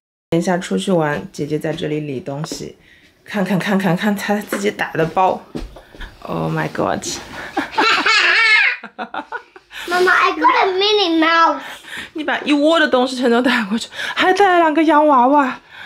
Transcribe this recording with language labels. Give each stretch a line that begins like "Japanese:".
Chinese: 等一下出去玩，姐姐在这里理东西，看看看看看她自己打的包。
English: Oh my god！妈妈 ，I got a mini mouse。
Chinese: 你把一窝的东西全都带过去，还带了两个洋娃娃。